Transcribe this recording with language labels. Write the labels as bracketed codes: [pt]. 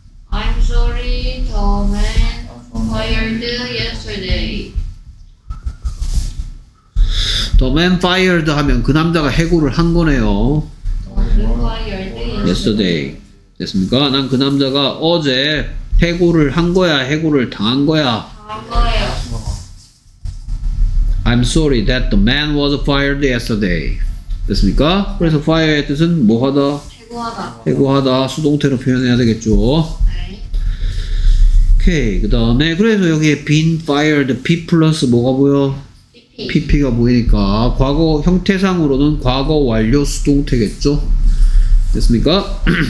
[en] I'm sorry the man fired yesterday. The man fired [ko] 하면 그 남자가 해고를 한 거네요. [en] The man fired yesterday. [ko] 됐습니까? 난 그 남자가 어제 해고를 한 거야? 해고를 당한 거야? 당한 거예요. [en] I'm sorry that the man was fired yesterday. [ko] 됐습니까? 그래서 fire의 뜻은 뭐하다? 해고하다. 해고하다. 수동태로 표현해야 되겠죠. 네. 오케이. 그 다음에 그래서 여기에 been fired, P 플러스 뭐가 보여? PP. PP가 보이니까 과거 형태상으로는 과거 완료 수동태겠죠. 됐습니까?